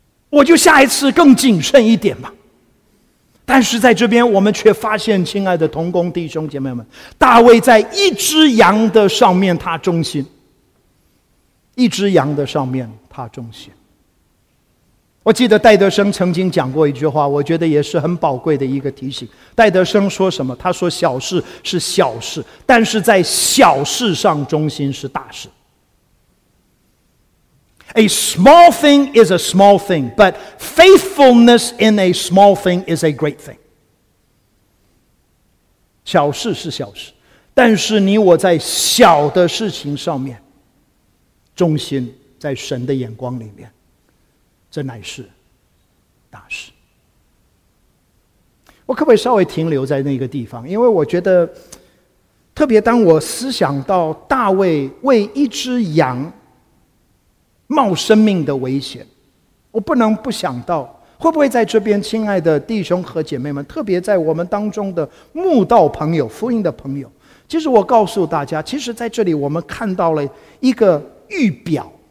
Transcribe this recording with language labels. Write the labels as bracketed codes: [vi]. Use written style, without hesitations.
[zh] 我就下一次更谨慎一点吧。但是在这边我们却发现，亲爱的同工弟兄姐妹们，大卫在一只羊的上面他忠心，一只羊的上面他忠心。我记得戴德生曾经讲过一句话，我觉得也是很宝贵的一个提醒。戴德生说什么？他说小事是小事，但是在小事上忠心是大事。 [en] A small thing is a small thing, but faithfulness in a small thing is a great thing. [zh] 小事是小事，但是你我在小的事情上面忠心，在神的眼光里面，这乃是大事。我可不可以稍微停留在那个地方？因为我觉得，特别当我思想到大卫为一只羊冒生命的危险，我不能不想到，会不会在这边，亲爱的弟兄和姐妹们，特别在我们当中的慕道朋友、福音的朋友，其实我告诉大家，其实在这里我们看到了一个预表。